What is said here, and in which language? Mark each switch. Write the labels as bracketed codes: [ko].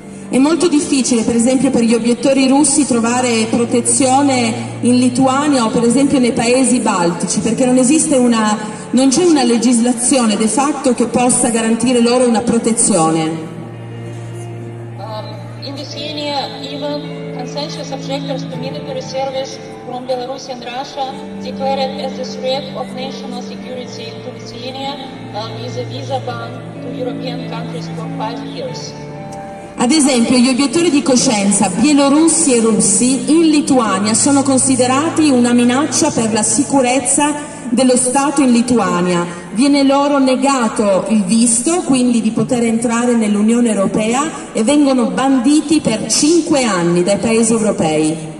[it] È molto difficile, per esempio, per gli obiettori russi trovare protezione in Lituania o per esempio nei paesi baltici, perché non c'è una legislazione de facto che possa garantire loro una protezione. [en] In Lithuania, even conscientious objectors to military service from Belarus and Russia declared as a threat of national security to Lithuania with a visa ban to European countries for 5 years. [it] Ad esempio, gli obiettori di coscienza bielorussi e russi in Lituania sono considerati una minaccia per la sicurezza dello Stato in Lituania. Viene loro negato il visto, quindi di poter entrare nell'Unione Europea, e vengono banditi per 5 anni dai paesi europei.